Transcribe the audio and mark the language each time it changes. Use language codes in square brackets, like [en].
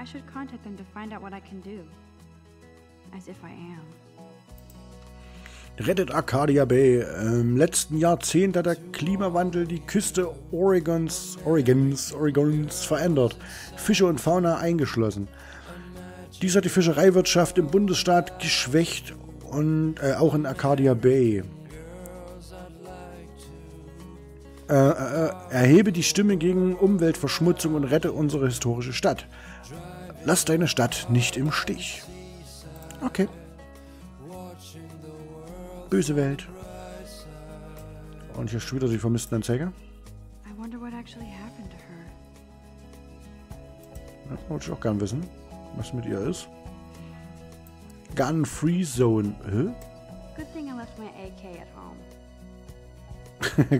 [en] I should contact them to find out what I can do. As if I am. [de] Rettet Acadia Bay. Im letzten Jahrzehnt hat der Klimawandel die Küste Oregons verändert. Fische und Fauna eingeschlossen. Dies hat die Fischereiwirtschaft im Bundesstaat geschwächt und auch in Arcadia Bay. Erhebe die Stimme gegen Umweltverschmutzung und rette unsere historische Stadt. Lass deine Stadt nicht im Stich. Okay. Böse Welt. Und hier steht wieder die vermissten Anzeige. Ja, wollte ich auch gern wissen, was mit ihr ist. [en] Gun-Free Zone. Hä? Good thing I left my AK at home.